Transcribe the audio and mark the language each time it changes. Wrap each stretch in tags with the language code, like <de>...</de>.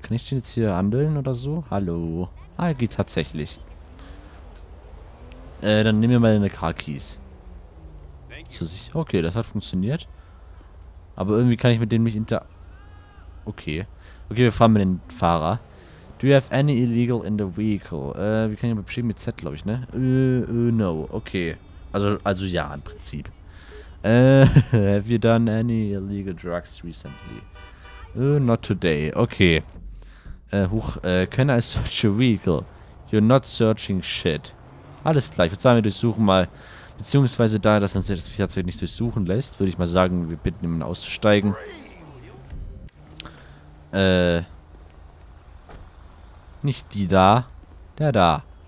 <de>Kann ich den jetzt hier handeln oder so? Hallo. Ah, er geht tatsächlich. Dann nehmen wir mal deine Car Keys. Zu sich. Okay, das hat funktioniert. Aber irgendwie kann ich mit dem nicht inter... Okay. Okay, wir fahren mit dem Fahrer.</de> <en>Do you have any illegal in the vehicle?</en> <de>Wir können ja beschrieben mit Z, glaube ich, ne? No. Okay. Also ja, im Prinzip.</de> <en>Have you done any illegal drugs recently? Not today. Okay. Can I search your vehicle? You're not searching shit.</en> <de>Alles klar, ich würde sagen, wir durchsuchen mal. Beziehungsweise da, dass uns das Fahrzeug nicht durchsuchen lässt, würde ich mal sagen, wir bitten jemanden auszusteigen. Nicht die da. Der da.</de>